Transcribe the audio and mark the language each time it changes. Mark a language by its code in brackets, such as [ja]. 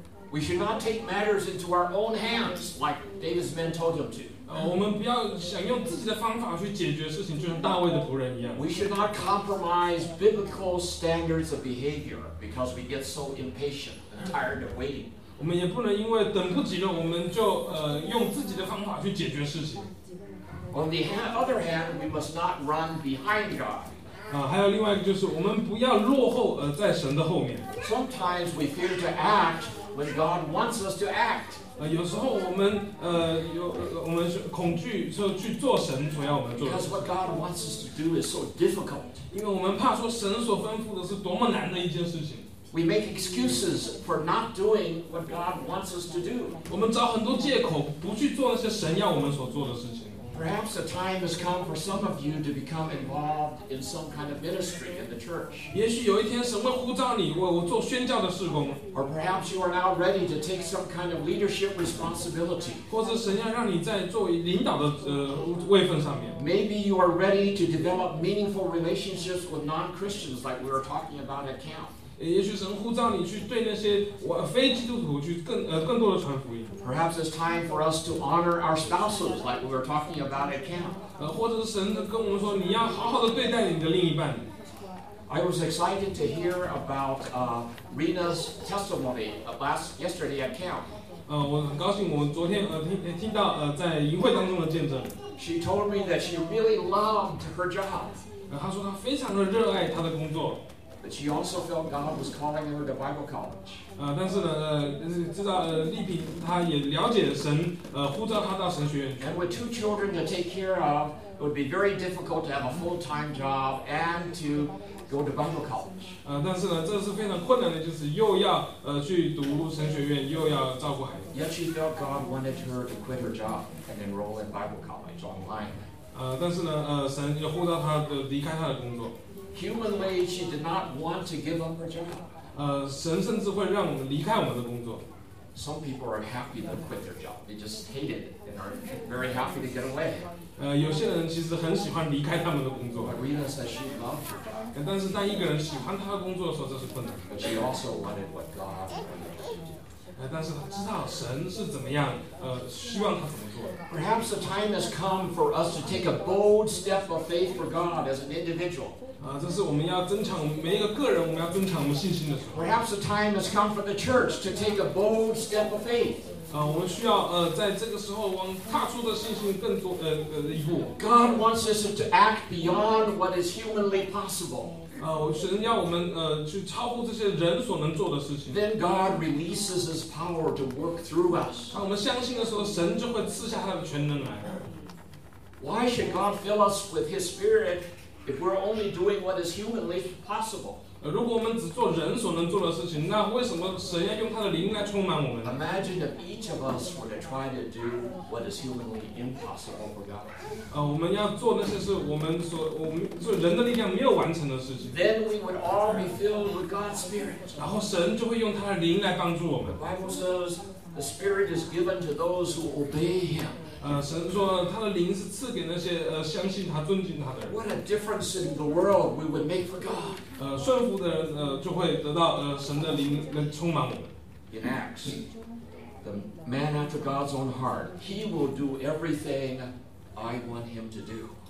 [en] We should not take matters into our own hands like David's men told him to. [zh] 我们不要想用自己的方法去解决事情，就像大卫的仆人一样。 [en] We should not compromise biblical standards of behavior because we get so impatient and tired of waiting. [zh] 我们也不能因为等不及了，我们就用自己的方法去解决事情。 [en] On the other hand, we must not run behind God. [zh] 还有另外一个就是我们不要落后在神的后面。 [en] Sometimes we fear to act when God wants us to act. [zh] 有时候我们恐惧说去做神所要我们做的。 [en] Because what God wants us to do is so difficult. [zh] 因为我们怕说神所吩咐的是多么难的一件事情。 [en] We make excuses for not doing what God wants us to do. [zh] 我们找很多借口不去做那些神要我们所做的事情。 [en] Perhaps the time has come for some of you to become involved in some kind of ministry in the church. [zh] 也许有一天神会呼召你，我做宣教的事工。 [en] Or perhaps you are now ready to take some kind of leadership responsibility. [zh] 或者神要让你在做领导的位分上面。 [en] Maybe you are ready to develop meaningful relationships with non-Christians, like we were talking about at camp. [zh] 也许神呼召你去对那些非基督徒去更多的传福音。 [en] Perhaps it's time for us to honor our spouses, like we were talking about at camp. [zh] 或者是神跟我们说，你要好好的对待你的另一半。 [en] I was excited to hear about Rena's testimony yesterday at camp. [zh] 我很高兴，我昨天听到在营会当中的见证。 [en] She told me that she really loved her job. [zh] 她说她非常的热爱她的工作。 [en] But she also felt God was calling her to Bible college. [zh] 但是呢，知道丽萍，她也了解神，呼召她到神学院。 [en] And with two children to take care of, it would be very difficult to have a full-time job and to go to Bible college. [zh] 但是呢，这是非常困难的，就是又要去读神学院，又要照顾孩子。 [en] Yet she felt God wanted her to quit her job and enroll in Bible college online. [zh] 但是呢，神又呼召她离开她的工作。 [en] Humanly, she did not want to give up her job. [zh] 神甚至会让我们离开我们的工作。 [en] Some people are happy to quit their job. They just hate it and are very happy to get away. [zh] 有些人其实很喜欢离开他们的工作。 [en] But Rena said she loved her job. [zh] 但是当一个人喜欢他的工作的时候，这是困难。 [en] But she also wanted what God wanted her to do. [zh] 但是他知道神是怎么样，希望他怎么做。 [en] Perhaps the time has come for us to take a bold step of faith for God as an individual. [zh] 这是我们要增强每一个个人，我们要增强我们信心的时候。 [en] Perhaps the time has come for the church to take a bold step of faith. [zh] 我们需要在这个时候往踏出的信心更多一步。 [en] God wants us to act beyond what is humanly possible. [zh] 神要我们去超过这些人所能做的事情。 [en] Then God releases His power to work through us. [zh] 当我们相信的时候，神就会赐下他的全能来。 [en] Why should God fill us with His Spirit? If we're only doing what is humanly possible, [zh] 如果我们只做人所能做的事情，那为什么神要用他的灵来充满我们？ [en] Imagine if each of us were to try to do what is humanly impossible for God. [zh] 我们要做那些是我们人的力量没有完成的事情。 [en] Then we would all be filled with God's Spirit. [zh] 然后神就会用他的灵来帮助我们。 [en] The Bible says the Spirit is given to those who obey Him. [zh] 神说他的灵是赐给那些相信他、尊敬他的人。 [en] What a difference in the world we would make for God！ [zh] 顺服的人就会得到神的灵能充满我们。 [en] In Acts, the man after God's own heart, he will do everything I want him to do。